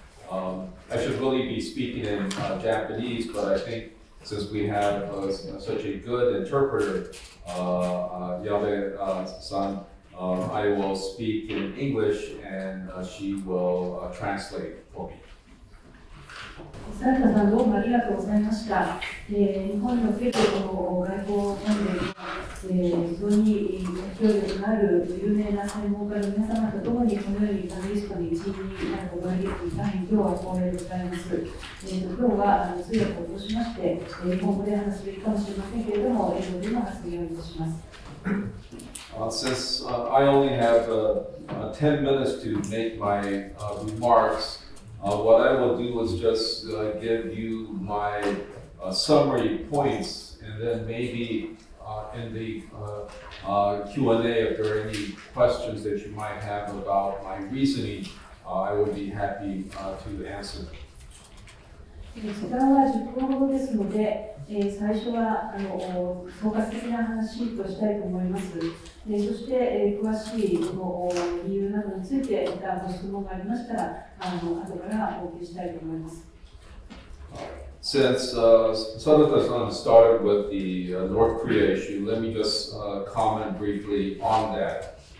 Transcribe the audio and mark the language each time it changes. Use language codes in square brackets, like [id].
[en] I should really be speaking in Japanese, but I think since we have such a good interpreter, Yabe-san,I will speak in English and she will translate for me. [ja] サルタさん、どうもありがとうございました。日本のフィリピンの外交関連は、非常に協力のある有名な専門家の皆様とともに、このようにパネリストに一員になるご覧いただき、大変今日は光栄でございます。今日は通訳を通しまして、日本語で話すべきかもしれませんけれども、英語でも発言をいたします。 [en] Since I only have 10 minutes to make my remarks, what I will do is just give you my summary points, and then maybe In the Q&A, if there are any questions that you might have about my reasoning, I would be happy to answer them. [ja] 時間は10分ほどですので、最初は総括的な話をしたいと思います。そして、詳しいこの理由などについて、またご質問がありましたら、後からお受けしたいと思います。 [en] Since Sanata-san started with the North Korea issue, let me just comment briefly on that.